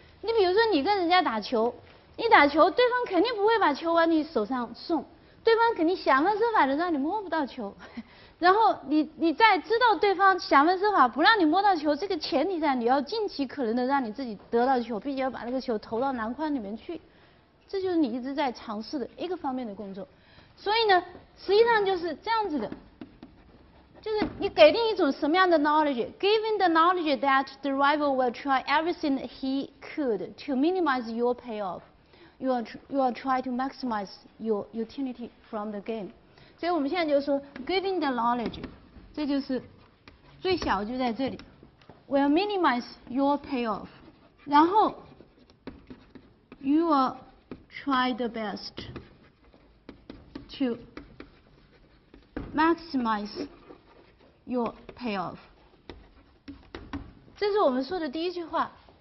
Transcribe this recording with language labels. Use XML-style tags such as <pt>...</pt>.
<zh>你比如说你跟人家打球，你打球对方肯定不会把球往你手上送，对方肯定想方设法的让你摸不到球，然后你在知道对方想方设法不让你摸到球这个前提下，你要尽其可能的让你自己得到球，并且要把那个球投到篮筐里面去，这就是你一直在尝试的一个方面的工作。所以呢实际上就是这样子的，就是你给定一种什么样的</zh> <en>knowledge， given the knowledge that the rival will try everything he could to minimize your payoff， you are try to maximize your utility from the game。</en> <zh>所以我们现在就是说</zh> <en>given the knowledge，</en> <zh>这就是最小就在这里，</zh> <en>will minimize your payoff， 然后 you will try the best to maximizeyour payoff，</en> <zh>这是我们说的第一句话。</zh>